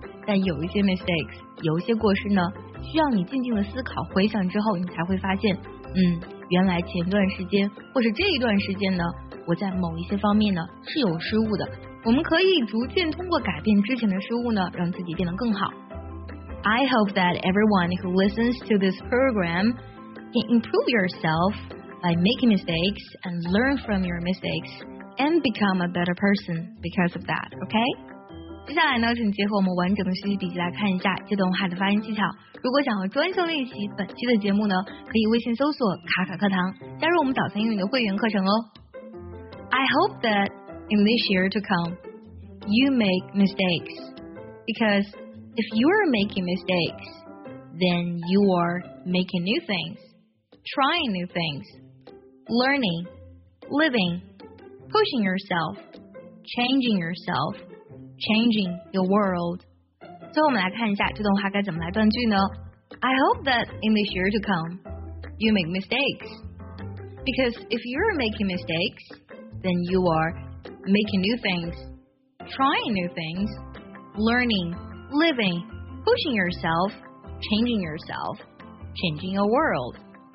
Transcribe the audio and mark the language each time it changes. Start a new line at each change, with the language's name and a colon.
Chinese: 但有一些 mistakes， 有一些过失呢，需要你静静的思考、回想之后，你才会发现，原来前段时间或是这一段时间呢，我在某一些方面呢是有失误的。我们可以逐渐通过改变之前的失误呢，让自己变得更好。
English: I hope that everyone who listens to this program can improve yourself. By making mistakes and learn from your mistakes and become a better person because of that, okay?
Chinese: 接下来呢，请结合我们完整的学习笔记来看一下这段话的发音技巧。如果想要专项练习本期的节目呢，可以微信搜索卡卡课堂，加入我们早餐英语的会员课程哦。
English: I hope that in this year to come, you make mistakes. Because if you are making mistakes, then you are making new things. Trying new things, learning, living, pushing yourself, changing yourself, changing your world.
Chinese: 最后我们来看一下这段话该怎么来断句呢？
English: I hope that in this year to come, you make mistakes. Because if you're making mistakes, then you are making new things, trying new things, learning, living, pushing yourself, changing your world.